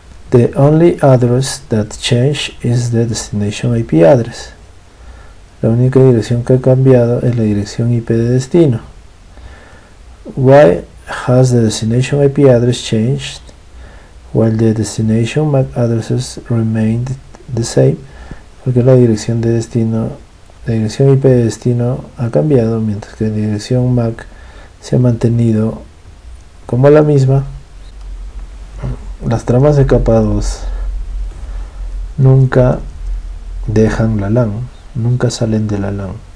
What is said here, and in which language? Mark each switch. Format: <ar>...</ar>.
<en>The only address that changed is the destination IP address.</en> <es>La única dirección que ha cambiado es la dirección IP de destino.</es> <en>Why has the destination IP address changed while the destination MAC addresses remained the same?</en> <es>Porque la dirección de destino, la dirección IP de destino ha cambiado, mientras que la dirección MAC se ha mantenido como la misma. Las tramas de capa 2 nunca dejan la LAN, nunca salen de la LAN.</es>